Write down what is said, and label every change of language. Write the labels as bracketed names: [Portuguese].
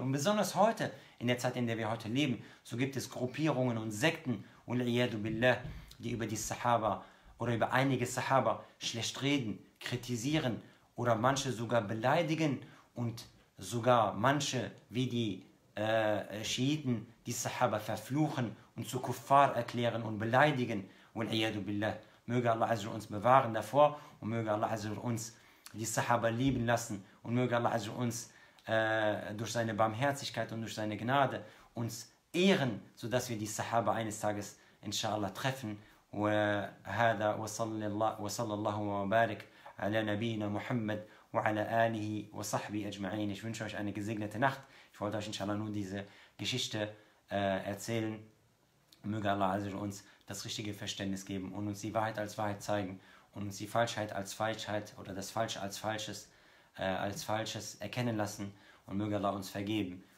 [German] Und besonders heute, in der Zeit, in der wir heute leben, so gibt es Gruppierungen und Sekten, [Arabic] wal-iyadu billah, [German] die über die Sahaba oder über einige Sahaba schlecht reden, kritisieren oder manche sogar beleidigen und sogar manche wie die Schiiten die Sahaba verfluchen und zu Kuffar erklären und beleidigen. [Arabic] Wal-iyadu billah. [German] Möge Allah also uns bewahren davor und möge Allah also uns die Sahaba lieben lassen und möge Allah also uns durch seine Barmherzigkeit und durch seine Gnade uns ehren, sodass wir die Sahaba eines Tages inshallah treffen. [Arabic] وهذا وصلى الله وبارك على نبينا محمد وعلى آله وصحبه أجمعين. [German] Ich wünsche euch eine gesegnete Nacht. Ich wollte euch inshallah nur diese Geschichte erzählen. Möge Allah also uns das richtige Verständnis geben und uns die Wahrheit als Wahrheit zeigen und uns die Falschheit als Falschheit oder das Falsche als Falsches erkennen lassen und möge Allah uns vergeben